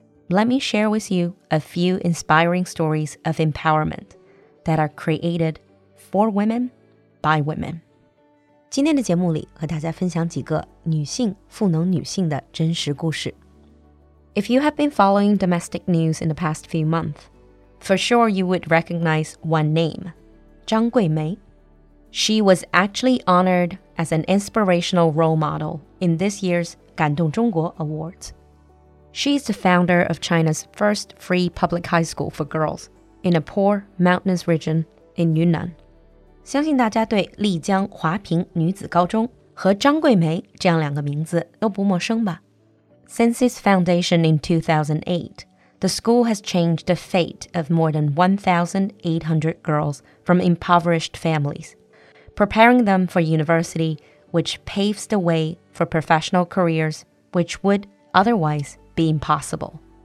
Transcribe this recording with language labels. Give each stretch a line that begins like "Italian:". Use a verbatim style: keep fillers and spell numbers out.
English: Let me share with you a few inspiring stories of empowerment that are created for women by women.
Chinese: 今天的节目里和大家分享几个女性赋能女性的真实故事。
English: If you have been following domestic news in the past few months, for sure you would recognize one name, 张桂梅. She was actually honored as an inspirational role model in this year's 感动中国 Awards. She is the founder of China's first free public high school for girls in a poor mountainous region in Yunnan.
Chinese: 相信大家对丽江华坪女子高中和张桂梅这样两个名字都不陌生吧？
English: Since its foundation in two thousand eight, the school has changed the fate of more than one thousand eight hundred girls from impoverished families, preparing them for university, which paves the way for professional careers, which would otherwise be impossible.